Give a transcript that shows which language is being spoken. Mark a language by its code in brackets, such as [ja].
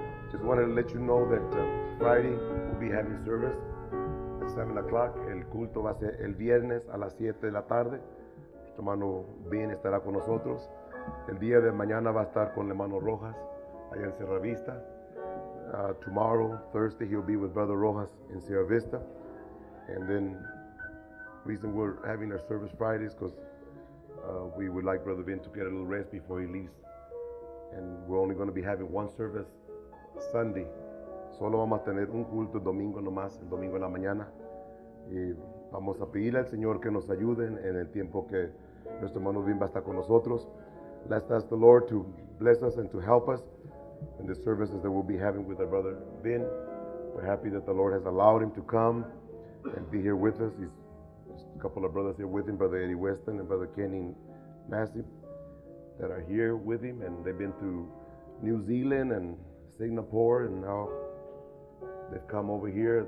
[en] Just wanted to let you know that Friday we'll be having service at 7 o'clock. [es] El culto va a ser el viernes a las 7 de la tarde. Nuestro hermano Ben estará con nosotros. El día de mañana va a estar con el hermano Rojas allá en Sierra Vista. [en] Tomorrow, Thursday, he'll be with Brother Rojas in Sierra Vista. And then the reason we're having our service Friday is because we would like Brother Ben to get a little rest before he leaves. And we're only going to be having one service Sunday. [es] Solo vamos a tener un culto domingo nomás, el domingo en la mañana. Y vamos a pedirle al Señor que nos ayude en el tiempo que nuestro hermano Ben va a estar con nosotros. [en] Let's ask the Lord to bless us and to help us in the services that we'll be having with our brother Ben. We're happy that the Lord has allowed him to come and be here with us. He's just a couple of brothers here with him, Brother Eddie Weston and Brother Kenny Massey, that are here with him, and they've been through New Zealand and Singapore, and now they've come over here.